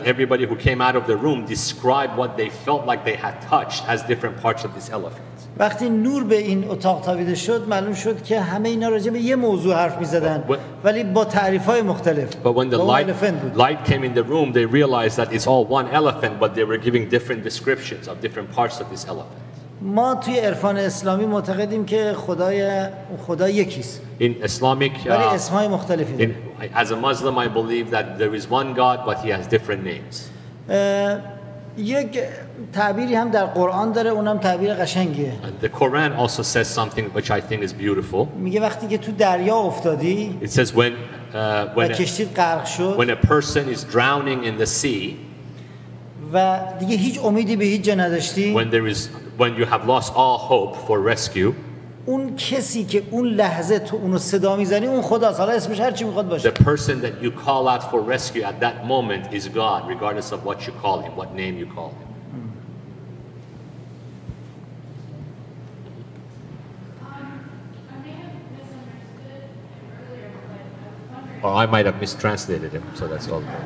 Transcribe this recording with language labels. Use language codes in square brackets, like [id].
[en] And everybody who came out of the room described what they felt like they had touched as different parts of this elephant. [fa] وقتی نور به این اتاق تابیده شد معلوم شد که همه اینا راجع به یه موضوع حرف می‌زدن ولی با تعریف‌های مختلف. [en] But when the light came in the room they realized that it's all one elephant but they were giving different descriptions of different parts of this elephant. [fa] ما توی عرفان اسلامی معتقدیم که خدا یکیست. [en] In Islamic [fa] ولی اسمای مختلفی داره. [en] As a Muslim I believe that there is one God but he has different names. [fa] یک تعبیری هم در قرآن داره اونم تعبیر قشنگیه. [en] The Quran also says something which I think is beautiful. [fa] میگه وقتی که تو دریا افتادی. [en] It says when a person is drowning in the sea. [fa] و دیگه هیچ امیدی به هیچ جا نداشتی. [en] When you have lost all hope for rescue. [fa] اون کسی که اون لحظه تو اونو صدا میزنی اون خداست، حالا اسمش هر چی میخواد باشه. [en] The person that you call out for rescue at that moment is God, regardless of what you call him, what name you call him. Or I might have mistranslated him, so that's all.